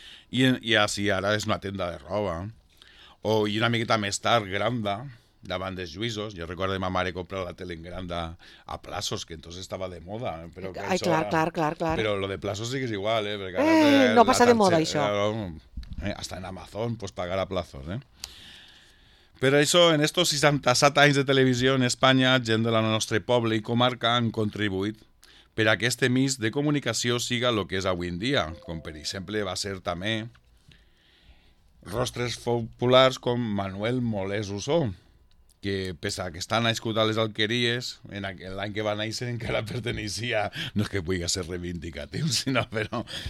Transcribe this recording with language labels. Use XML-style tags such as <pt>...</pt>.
<ca>I així, ara és una tenda de roba. O, i una miqueta més tard, Granda, davant dels Juïsos. Jo recordo que ma mare comprar la tele en Granda a Plaços, que entonces estava de moda. Però que ai, clar, era... clar, clar, clar. Però lo de Plaços sí que és igual, eh? Perquè ara no passa de moda, això. Era...</ca> <es>Hasta en Amazon, pues pagar a plazos, ¿eh? Pero eso, en estos</es> <ca>67 anys de televisió en Espanya, gent de la nostre poble i comarca han contribuït per a que este mix de comunicació siga lo que és avui en dia, com per exemple va ser també rostres populars com Manuel Molés Usó, que pese a que està nascut a les Alqueries, en l'any que va néixer encara pertenecia, no és que pugui ser reivindicatiu, sinó, però</ca>